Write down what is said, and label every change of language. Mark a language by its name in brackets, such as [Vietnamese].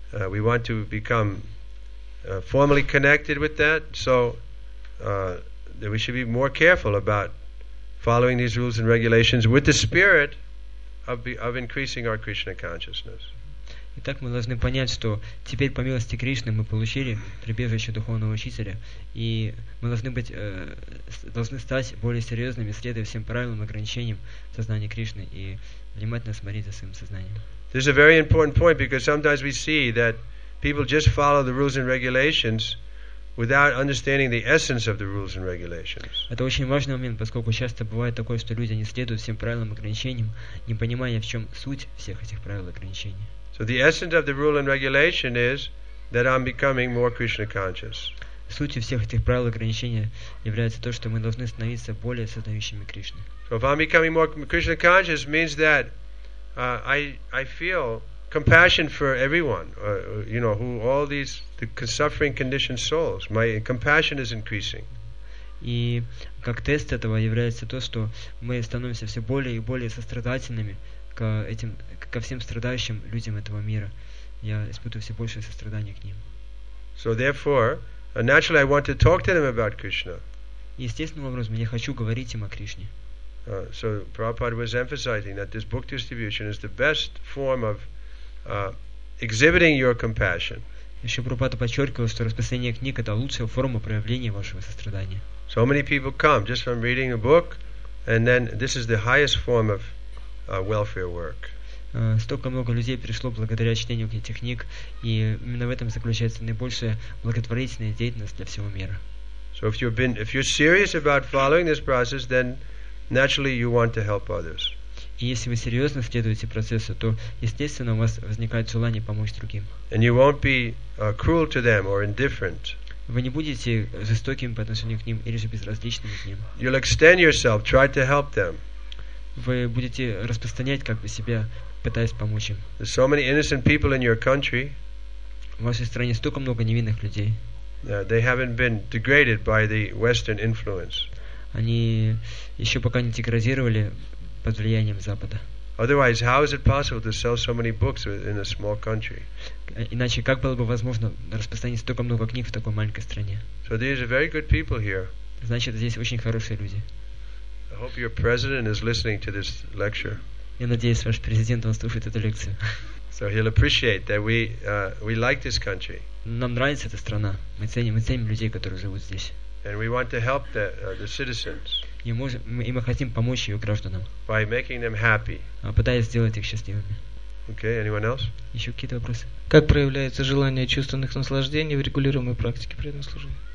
[English] We want to become formally connected with that. So that we should be more careful about following these rules and regulations with the spirit of increasing our Krishna consciousness. [Russian] Итак, мы должны понять, что теперь по милости Кришны мы получили прибежище духовного учителя, и мы должны должны стать более серьезными, следуя всем правилам и ограничениям сознания Кришны и внимательно смотреть за своим сознанием. [English] This is a very important point because sometimes we see that people just follow the rules and regulations without understanding the essence of the rules and regulations. [Russian] Это очень важный момент, поскольку часто бывает такое, что люди не следуют всем правилам и ограничениям, не понимая, в чем суть всех этих правил и ограничений. [English] So the essence of the rule and regulation is that I'm becoming more Krishna conscious. [Russian] Суть всех этих правил ограничения является то, что мы должны становиться более сознающими Кришны. [English] So if I'm becoming more Krishna conscious means that I feel compassion for everyone, you know, who all these the suffering conditioned souls. My compassion is increasing. [Russian] И как тест этого является то, что мы становимся все более и более сострадательными к этим, ко всем страдающим людям этого мира. Я испытываю все большее сострадание к ним. [English] So therefore, naturally I want to talk to them about Krishna. [Russian] Естественным образом я хочу говорить им о Кришне. [English] So Prabhupada was emphasizing that this book distribution is the best form of exhibiting your compassion. [Russian] Еще Прабхупада подчеркивал, что распространение книг это лучшая форма проявления вашего сострадания. [English] So many people come just from reading a book, and then this is the highest form of welfare work. [Russian] Столько много людей пришло благодаря чтению этих книг, и именно в этом заключается наибольшая благотворительная деятельность для всего мира. [English] So if you're serious about following this process, then naturally you want to help others. [Russian] И если вы серьезно следуете процессу, то естественно у вас возникает желание помочь другим. [English] And you won't be cruel to them or indifferent. [Russian] Вы не будете жестоким по отношению к ним или же безразличным к ним. [English] You'll extend yourself, try to help them. [Russian] Вы будете распространять как бы себя, пытаясь помочь им. [English] There's so many innocent people in your country. [Russian] В вашей стране столько много невинных людей. [English] They haven't been degraded by the Western influence. [Russian] Они еще пока не деградировали под влиянием Запада. [English] Otherwise, how is it possible to sell so many books in a small country? [Russian] Иначе как было бы возможно распространить столько много книг в такой маленькой стране? [English] So there are very good people here. [Russian] Значит, здесь очень хорошие люди. [English] I hope your president is listening to this lecture. [Russian] Я надеюсь, ваш президент слушает эту лекцию. [English] So he'll appreciate that we like this country. [Russian] Нам нравится эта страна. Мы ценим людей, которые живут здесь. [English] And we want to help the citizens. [Russian] И мы хотим помочь ее гражданам. [English] By making them happy. [Russian] Пытаясь сделать их счастливыми. [English] Okay, anyone else? [Russian] Еще какие-то вопросы? Как проявляется желание чувственных наслаждений в регулируемой практике преданного служения?